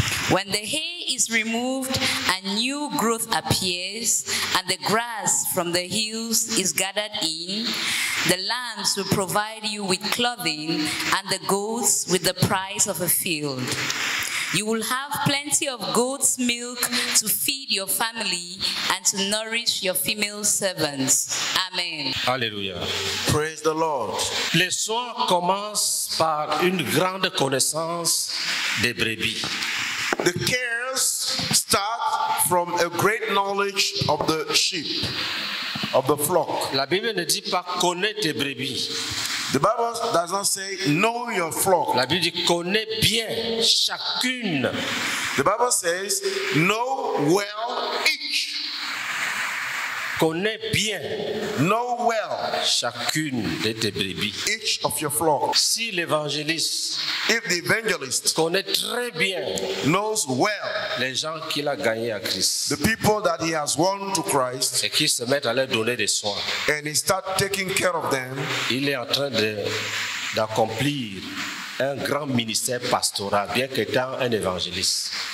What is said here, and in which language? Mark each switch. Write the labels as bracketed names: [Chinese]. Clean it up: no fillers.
[English] When the hay is removed and new growth appears, and the grass from the hills is gathered in, the lambs will provide you with clothing, and the goats with the price of a field. You will have plenty of goat's milk to feed your family and to nourish your female servants. Amen. Alléluia. Praise the Lord. [French] Les soins commencent par une grande connaissance des brebis. [English] The cares start from a great knowledge of the sheep, of the flock. [French] La Bible ne dit pas connais tes brebis. [English] The Bible does not say know your flock. [French] La Bible dit connais bien chacune. [English] The Bible says know well each. [French] Connais bien [English] know well [French] chacune de tes brebis. [English] Each of your flock. [French] Si l'évangéliste [English] if the evangelist [French] connaît très bien [English] knows well [French] les gens qu'il a gagné à Christ. [English] The people that he has won to Christ. [French] Et qu'il se met à leur donner des soins. [English] And he start taking care of them. [French] Il est en train d'accomplir un grand ministère pastoral, bien qu'étant un évangéliste.